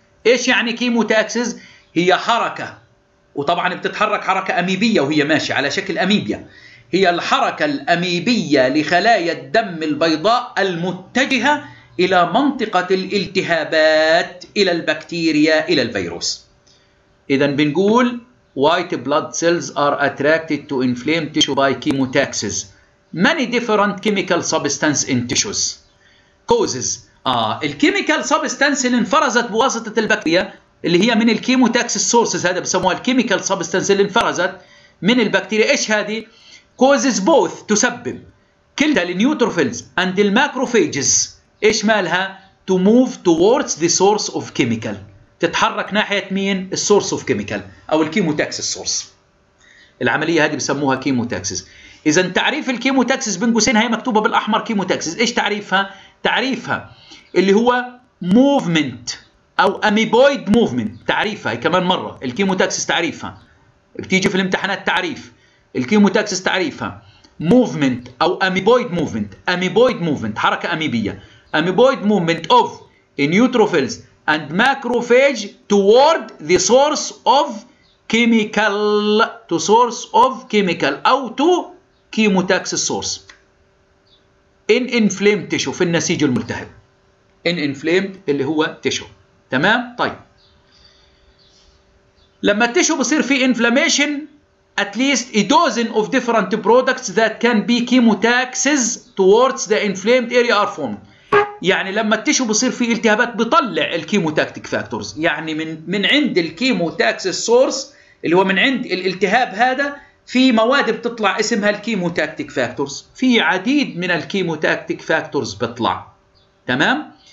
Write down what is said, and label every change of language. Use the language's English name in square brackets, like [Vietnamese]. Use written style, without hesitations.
[Arabic] ايش يعني كيموتاكسيس؟ هي حركه، وطبعا بتتحرك حركه اميبيه وهي ماشيه على شكل اميبيا، هي الحركه الاميبيه لخلايا الدم البيضاء المتجهه الى منطقه الالتهابات الى البكتيريا الى الفيروس. اذا بنقول [English] White blood cells are attracted to inflamed tissue by chemotaxis. Many different chemical substances in tissues. Causes. [Arabic] الكيميكال سبستانس اللي انفرزت بواسطة البكتيريا اللي هي من الكيموتاكسيس سورسز، هذا بسموها الكيميكال سبستانس اللي انفرزت من البكتيريا. ايش هذه؟ [English] Causes both. [Arabic] تسبب كلتا النيوتروفيلز [English] and the macrophages. [Arabic] ايش مالها؟ [English] To move towards the source of chemical. [Arabic] تتحرك ناحية مين؟ السورس اوف كيميكال او الكيموتاكسيس سورس. العملية هذه بسموها كيموتاكسيس. اذا تعريف الكيموتاكسيس بين قوسين هي مكتوبة بالاحمر كيموتاكسيس، ايش تعريفها؟ تعريفها اللي هو موفمنت او اميبويد موفمنت. تعريفها كمان مرة، الكيموتاكسيس تعريفها بتيجي في الامتحانات، تعريف الكيموتاكسيس تعريفها موفمنت او اميبويد موفمنت. [English] amoeboid movement [Arabic] حركة اميبية، [English] amoeboid movement of النيوتروفيلز and macrophage toward the source of chemical, to source of chemical أو to chemotaxis source in inflamed tissue، [Arabic] في النسيج الملتهب [English] in inflamed اللي هو tissue. [Arabic] تمام. طيب لما التشو بصير فيه [English] inflammation at least a dozen of different products that can be chemotaxis towards the inflamed area are formed. [Arabic] يعني لما التشو بصير فيه التهابات بطلع الكيموتاكتيك فاكتورز، يعني من عند الكيموتاكسيس سورس اللي هو من عند الالتهاب هذا في مواد بتطلع اسمها الكيموتاكتيك فاكتورز، في عديد من الكيموتاكتيك فاكتورز بتطلع. تمام.